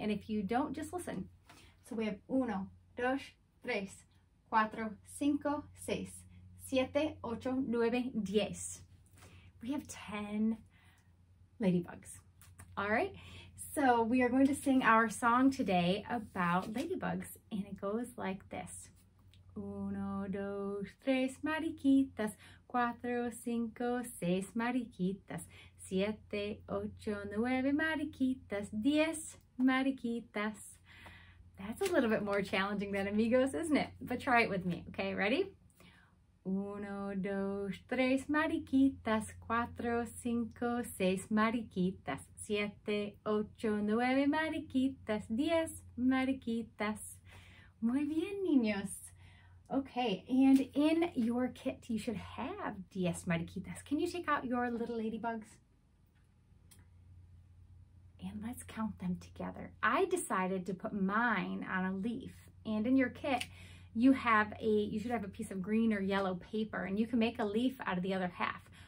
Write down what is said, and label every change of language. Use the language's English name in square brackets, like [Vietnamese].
[English] And if you don't, just listen. So we have [Spanish] uno, dos, tres, cuatro, cinco, seis, siete, ocho, nueve, diez. [English] We have 10 ladybugs. All right. So we are going to sing our song today about ladybugs. And it goes like this. [Spanish] Uno, dos, tres. tres mariquitas, cuatro, cinco, seis mariquitas, siete, ocho, nueve mariquitas, diez mariquitas. [English] That's a little bit more challenging than amigos, isn't it? But try it with me, okay? Ready? [Spanish] Uno, dos, tres mariquitas, cuatro, cinco, seis mariquitas, siete, ocho, nueve mariquitas, diez mariquitas. Muy bien, niños. [English] Okay, and in your kit, you should have [Spanish] diez mariquitas. [English] Can you take out your little ladybugs? And let's count them together. I decided to put mine on a leaf, and in your kit, you should have a piece of green or yellow paper, and you can make a leaf out of the other half.